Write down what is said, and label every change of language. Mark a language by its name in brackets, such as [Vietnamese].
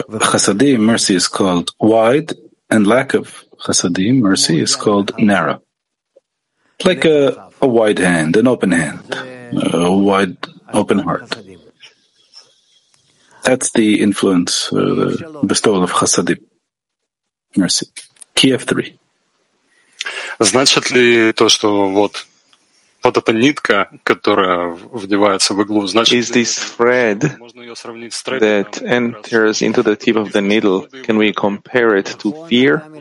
[English] Chasadim, mercy, is called wide, and lack of chasadim, mercy, is called narrow. Like a wide hand, an open hand, a wide, open heart. That's the influence, the bestowal of chasadim, mercy. Kiev 3. [Russian] Значит ли то, что вот... Вот эта нитка, которая вдевается в иглу, значит, [English] is this thread that enters into the tip of the needle? Can we compare it to fear?